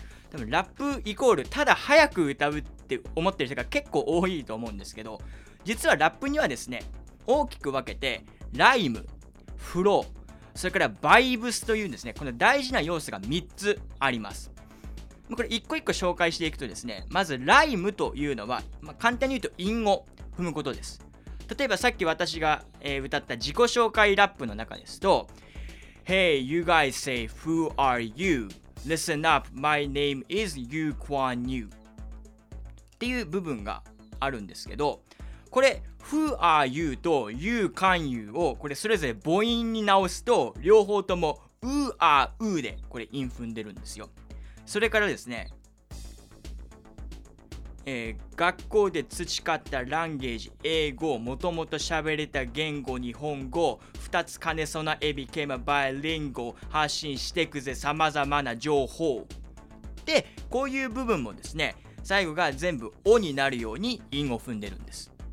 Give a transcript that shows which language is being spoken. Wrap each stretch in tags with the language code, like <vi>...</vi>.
<ja>多分ラップイコールただ早く歌うって思ってる人が結構多いと思うんですけど、実はラップにはですね、大きく分けてライム、フロー、それからバイブスというですね、この大事な要素が3つあります。これ一個一個紹介していくとですね、まずライムというのは、簡単に言うと韻を踏むことです。例えばさっき私が歌った自己紹介ラップの中ですと、</ja> <en>Hey, you guys say, who are you? Listen up, my name is Yu Kwan Yu</en> <ja>っていう部分があるんですけど、これ</ja> <en>Who are you?</en> <ja>と Yu Kwan Yu をこれそれぞれ母音に直すと、両方とも</ja> <en>Who are you?</en> <ja>でこれ韻踏んでるんですよ。それからですね、学校で培ったランゲージ英語、もともと喋れた言語日本語、2つ兼ね備えビケマバイリンゴ、発信してくぜ様々な情報で、こういう部分もですね、最後が全部オになるように韻を踏んでるんです。</ja>